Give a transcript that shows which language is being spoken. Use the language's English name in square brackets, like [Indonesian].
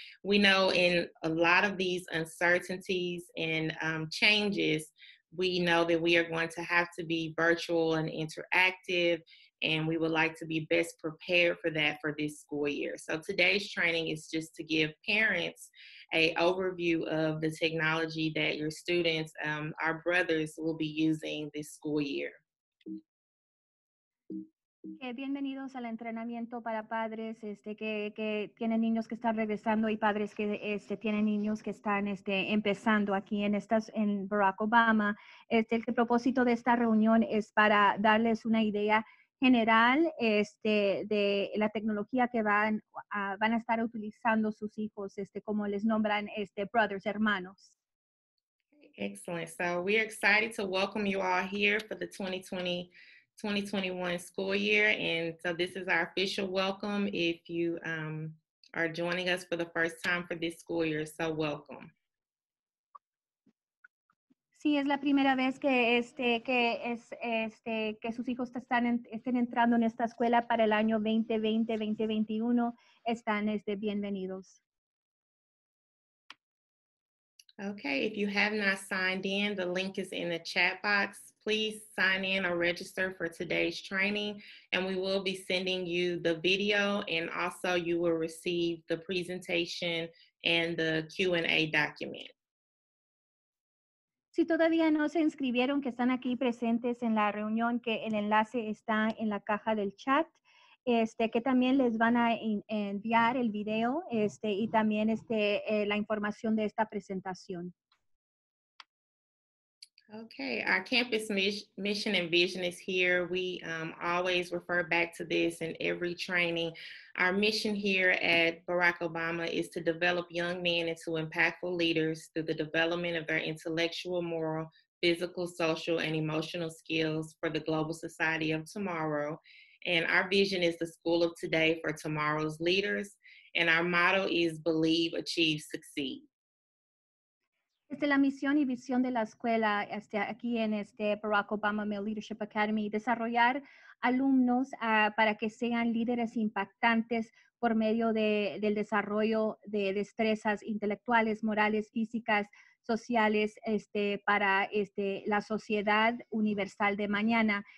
[English] We know in a lot of these uncertainties and changes, we know that we are going to have to be virtual and interactive, and we would like to be best prepared for that for this school year. So today's training is just to give parents an overview of the technology that your students, our brothers, will be using this school year. [Spanish] Okay, bienvenidos al entrenamiento para padres que tienen niños que están regresando y padres que tienen niños que están empezando aquí en Barack Obama. El propósito de esta reunión es para darles una idea general de la tecnología que van a estar utilizando sus hijos, como les nombran brothers, hermanos. [English] Excellent. So we are excited to welcome you all here for the 2020-2021 school year. And so this is our official welcome. If you are joining us for the first time for this school year, so welcome. [Spanish] Sí, es la primera vez que que sus hijos estén entrando en esta escuela para el año 2020-2021. Están bienvenidos. [English] Okay, if you have not signed in, the link is in the chat box. Please sign in or register for today's training, and we will be sending you the video, and also you will receive the presentation and the Q&A document. [Spanish] Si todavía no se inscribieron, que están aquí presentes en la reunión, que el enlace está en la caja del chat, que también les van a enviar el video y también la información de esta presentación. [English] Okay, our campus mission and vision is here. We always refer back to this in every training. Our mission here at Barack Obama is to develop young men into impactful leaders through the development of their intellectual, moral, physical, social, and emotional skills for the global society of tomorrow. And our vision is the school of today for tomorrow's leaders. And our motto is believe, achieve, succeed. [Spanish] La misión y visión de la escuela aquí en Barack Obama Male Leadership Academy, desarrollar alumnos para que sean líderes impactantes por medio del desarrollo de destrezas intelectuales, morales, físicas, sociales para la sociedad universal de mañana.